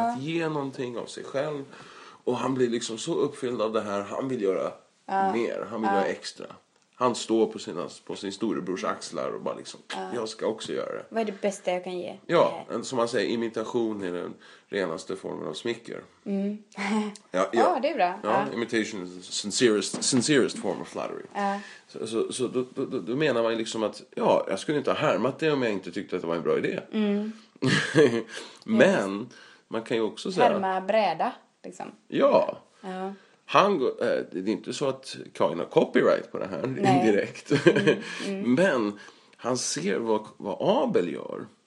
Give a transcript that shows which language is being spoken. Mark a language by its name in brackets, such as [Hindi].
[Swedish] Att ge någonting av sig själv. Och han blir liksom så uppfylld av det här, han vill göra mer, han vill göra extra. Han står på sin storebrors axlar och bara liksom, jag ska också göra det. Vad är det bästa jag kan ge? Ja, som man säger, imitation är den renaste formen av smicker. Mm. Ja, det är bra. [English] Ja, imitation is the sincerest form of flattery. [Swedish] Så då menar man liksom att, ja, jag skulle inte ha härmat det om jag inte tyckte att det var en bra idé. Mm. Men, yes. Man kan ju också säga... Härma bräda, liksom. Ja. Det är inte så att Karin har copyright på det här. Nej. Indirekt. Men han ser vad Abel gör.